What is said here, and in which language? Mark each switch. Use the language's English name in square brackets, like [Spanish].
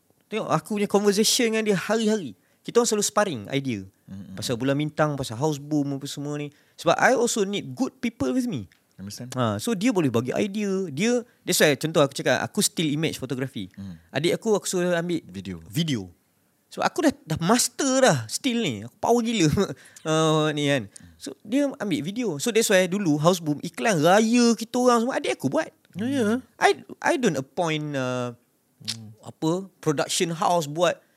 [Malay] Tengok aku punya conversation dengan dia hari-hari. Kita orang selalu sparring idea. Pasal Bulan Bintang, pasal Hausboom apa semua ni. Sebab [English] I also need good people with me. Understand? [Malay] Ha, so dia boleh bagi idea. Dia, that's why contoh aku cakap, aku still image photography. Adik aku, aku suruh ambil video. Video. So aku dah master dah still ni. Aku power gila. ni kan. So dia ambil video. So that's why dulu Hausboom iklan raya kita orang semua adik aku buat. [English] Yeah. I don't appoint apa production house buat.